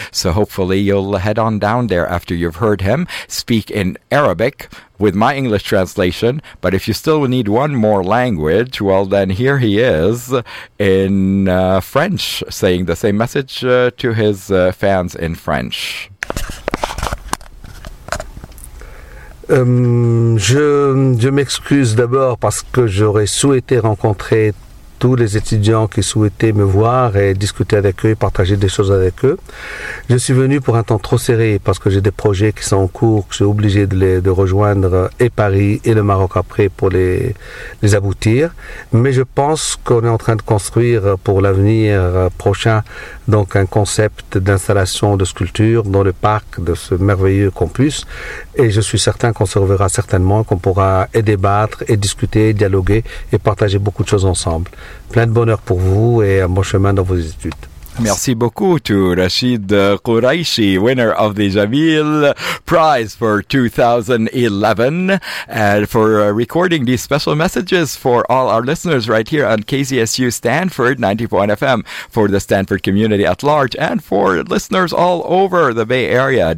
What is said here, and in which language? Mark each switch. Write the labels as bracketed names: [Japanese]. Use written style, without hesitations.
[English] So hopefully you'll head on down there after you've heard him speak in Arabic with my English translation. But if you still need one more language, well, then here he is in French saying the same message to his fans in French. [French] Je m'excuse d'abord parce que j'aurais souhaité rencontrer tous les étudiants qui souhaitaient me voir et discuter avec eux, partager des choses avec eux. Je suis venu pour un temps trop serré parce que j'ai des projets qui sont en cours, que je suis obligé de rejoindre et Paris et le Maroc après pour les aboutir. Mais je pense qu'on est en train de construire pour l'avenir prochain donc un concept d'installation de sculpture dans le parc de ce merveilleux campus. Et je suis certain qu'on se reverra certainement, qu'on pourra et débattre et discuter, et dialoguer et partager beaucoup de choses ensemble. Plein de bonheur pour vous et un bon chemin dans vos études. [English] Merci beaucoup to Rachid Koraichi, winner of the Jamil Prize for 2011, and for recording these special messages for all our listeners right here on KZSU Stanford 94 FM for the Stanford community at large and for listeners all over the Bay Area.